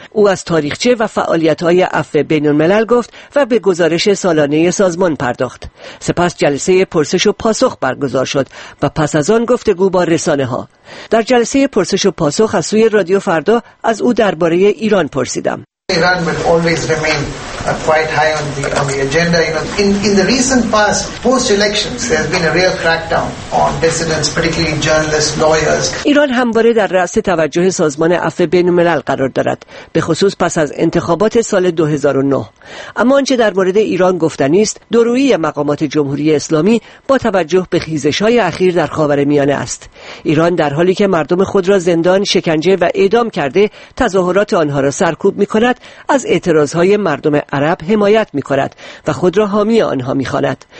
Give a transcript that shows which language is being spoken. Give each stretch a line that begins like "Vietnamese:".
Persian: او از تاریخچه و فعالیت‌های عفو بین الملل گفت و به گزارش سالانه سازمان پرداخت. سپس جلسه پرسش و پاسخ برگزار شد و پس از آن گفتگو با رسانه‌ها. در جلسه پرسش و پاسخ از سوی رادیو فردا از او درباره ایران پرسیدم.
English: Iran will always remain quite high on the agenda. You know, in the recent past, post elections, there has been a real crackdown on dissidents, particularly journalists, lawyers.
Persian: Iran همواره در رأس توجه سازمان عفو بین الملل قرار دارد، به خصوص پس از انتخابات سال 2009. اما آنچه در مورد ایران گفتنی است، دورویی مقامات جمهوری اسلامی با توجه به خیزش‌های اخیر در خاورمیانه است. ایران در حالی که مردم خود را زندان، شکنجه و اعدام کرده، تظاهرات آنها را سرکوب می‌کند، از اعتراض‌های مردم عرب حمایت می‌کند و خود را حامی آنها می‌خواند.